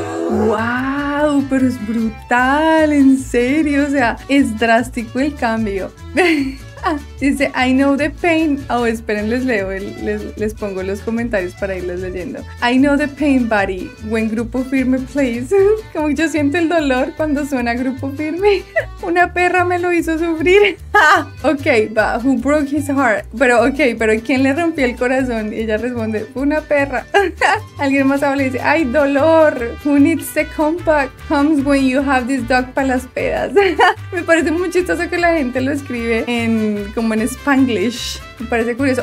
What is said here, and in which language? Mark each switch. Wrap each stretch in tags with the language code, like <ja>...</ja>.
<es>Wow, pero es brutal, en serio, o sea, es drástico el cambio. Dice,</es> <en>I know the pain.</en> <es>Oh, esperen, les leo, les pongo los comentarios para irles leyendo.</es> <en>I know the pain, buddy, when Grupo Firme plays.</en> <es>Como yo siento el dolor cuando suena Grupo Firme. Una perra me lo hizo sufrir.</es> <en>Ok, but who broke his heart?</en> <es>Pero ok, pero ¿quién le rompió el corazón? Y ella responde, una perra. Alguien más habla y dice, ay, dolor.</es> <en>Who needs the compact? Comes when you have this dog</en> <es>para las pedas. Me parece muy chistoso que la gente lo escribe en como en Spanglish. Me parece curioso.</es>